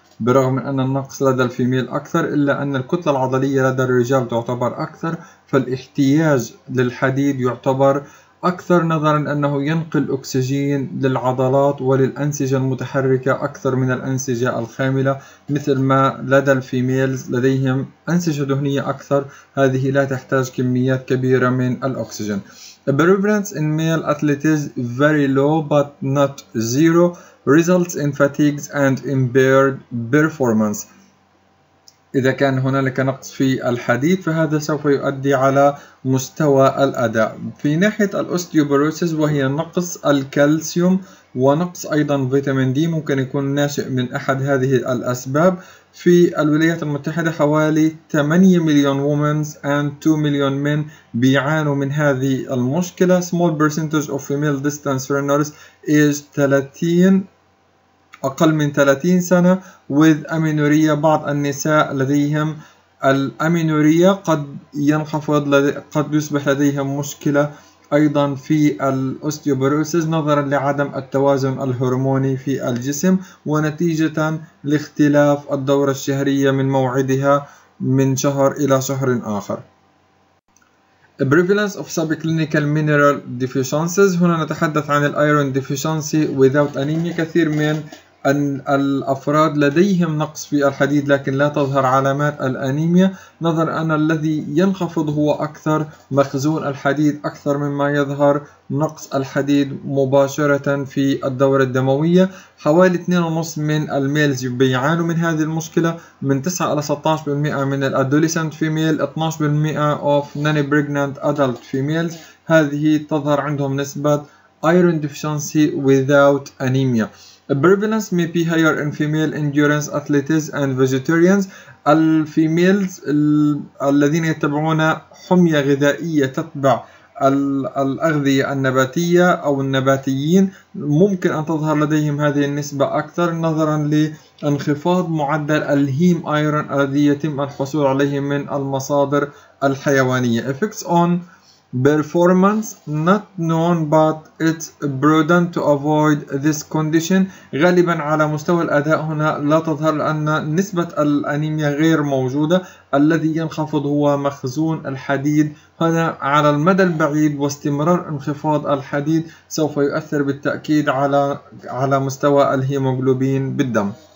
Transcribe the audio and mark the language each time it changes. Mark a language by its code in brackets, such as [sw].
[ar] برغم من أن النقص لدى الفيميل أكثر إلا أن الكتلة العضلية لدى الرجال تعتبر أكثر، فالاحتياج للحديد يعتبر أكثر نظرا أنه ينقل أكسجين للعضلات وللأنسجة المتحركة أكثر من الأنسجة الخاملة، مثل ما لدى الفيميلز لديهم أنسجة دهنية أكثر، هذه لا تحتاج كميات كبيرة من الأكسجين. [en] Prevalence in male athletes very low but not zero. Results in fatigues and impaired performance. [ar] إذا كان هنالك نقص في الحديد فهذا سوف يؤدي على مستوى الأداء. في ناحية الأوستيوبوروسيس وهي نقص الكالسيوم ونقص أيضا فيتامين دي، ممكن يكون ناشئ من أحد هذه الأسباب. في الولايات المتحدة حوالي 8 مليون وومنز and 2 مليون من بيعانوا من هذه المشكلة. [en] Small percentage of female distance runners is 30 [ar] أقل من 30 سنة [en] with amenorrhea. [ar] بعض النساء لديهم الأمينوريا قد ينخفض قد يصبح لديهم مشكلة أيضا في الأوستيوبوروسيس نظرا لعدم التوازن الهرموني في الجسم ونتيجة لاختلاف الدورة الشهرية من موعدها من شهر إلى شهر آخر. [en] A prevalence of subclinical mineral deficiencies. [ar] هنا نتحدث عن الايرون ديفيشنسي [en] without anemia. [ar] كثير من الأفراد لديهم نقص في الحديد لكن لا تظهر علامات الأنيميا نظرا أن الذي ينخفض هو أكثر مخزون الحديد أكثر مما يظهر نقص الحديد مباشرة في الدورة الدموية. حوالي 2.5 من الميلز بيعانوا من هذه المشكلة. من 9-16% من الأدوليسنت فيميل [en] 12% of non-pregnant adult females [ar] هذه تظهر عندهم نسبة [en] iron deficiency without anemia. A prevalence may be higher in female endurance athletes and vegetarians. [ar] الفيميلز الذين يتبعون حمية غذائية تتبع الأغذية النباتية أو النباتيين ممكن أن تظهر لديهم هذه النسبة أكثر نظرا لانخفاض معدل الهيم ايرون الذي يتم الحصول عليه من المصادر الحيوانية. [en] Effects on performance not known but it's prudent to avoid this condition. [ar] غالبا على مستوى الأداء هنا لا تظهر لأن نسبة الأنيميا غير موجودة. الذي ينخفض هو مخزون الحديد. هنا على المدى البعيد واستمرار انخفاض الحديد سوف يؤثر بالتأكيد على مستوى الهيموغلوبين بالدم.